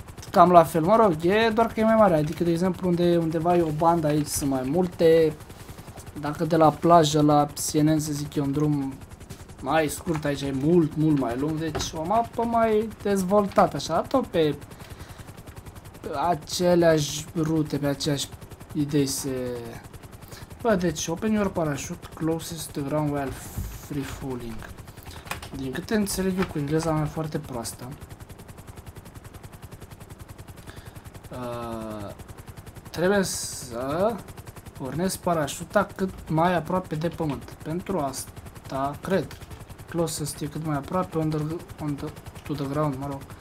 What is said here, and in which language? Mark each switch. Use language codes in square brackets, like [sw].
[ro] cam la fel, mă rog, e doar că e mai mare, adică, de exemplu, undeva e o bandă aici, sunt mai multe, dacă de la plajă la CNN, să zic eu, un drum mai scurt, aici e mult, mult mai lung, deci o mapă mai dezvoltată, așa, tot pe aceleași rute, pe aceeași idei se... Bă, deci, [en] open your parachute closest to ground while free falling. [ro] Din câte înțeleg eu, cu engleza mea foarte proastă, trebuie să pornesc parașuta cât mai aproape de pământ. Pentru asta, cred, closest e cât mai aproape, [en] to the ground, [ro] mă rog.